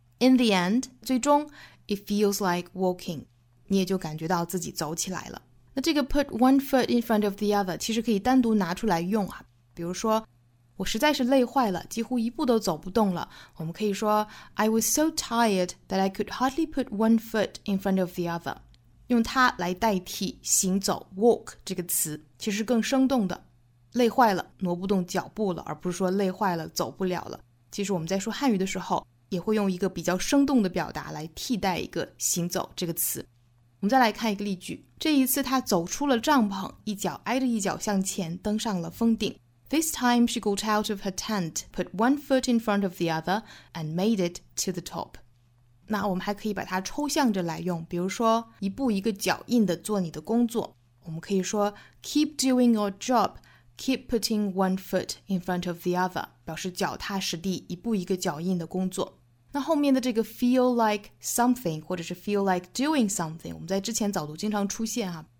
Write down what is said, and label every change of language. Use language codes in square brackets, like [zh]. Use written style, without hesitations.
[en] In the end， [zh] 最终 [en] It feels like walking， [zh] 你也就感觉到自己走起来了。那这个 [en] put one foot in front of the other [zh] 其实可以单独拿出来用啊，比如说我实在是累坏了，几乎一步都走不动了，我们可以说 [en] I was so tired that I could hardly put one foot in front of the other， [zh] 用它来代替行走 walk 这个词，其实更生动的，累坏了挪不动脚步了，而不是说累坏了走不了了。其实我们在说汉语的时候也会用一个比较生动的表达来替代一个行走这个词。我们再来看一个例句，这一次他走出了帐篷，一脚挨着一脚向前登上了峰顶。 [en] This time she got out of her tent, put one foot in front of the other, and made it to the top. [zh] 那我们还可以把它抽象着来用，比如说一步一个脚印的做你的工作。我们可以说 [en] keep doing your job, keep putting one foot in front of the other, [zh] 表示脚踏实地，一步一个脚印的工作。那后面的这个 [en] feel like something, [zh] 或者是 [en] feel like doing something, [zh] 我们在之前早读经常出现啊。